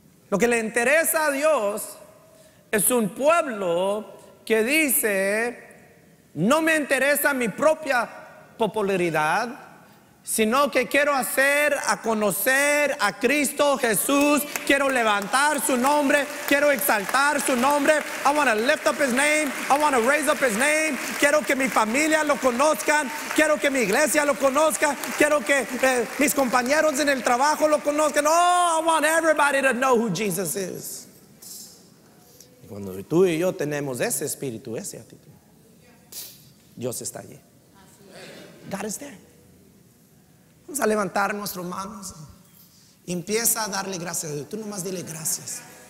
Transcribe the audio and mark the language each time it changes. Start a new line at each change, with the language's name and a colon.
Spanish: Lo que le interesa a Dios es un pueblo que dice, no me interesa mi propia popularidad, sino que quiero hacer a conocer a Cristo Jesús. Quiero levantar su nombre, quiero exaltar su nombre.
English: I want to lift up his name, I want to raise up his name.
Spanish: Quiero que mi familia lo conozcan, quiero que mi iglesia lo conozca, quiero que mis compañeros en el trabajo lo conozcan.
English: Oh, I want everybody to know who Jesus is.
Spanish: Cuando tú y yo tenemos ese espíritu, ese actitud, Dios está allí.
English: God is there.
Spanish: Vamos a levantar nuestras manos. Empieza a darle gracias a Dios. Tú nomás dile gracias.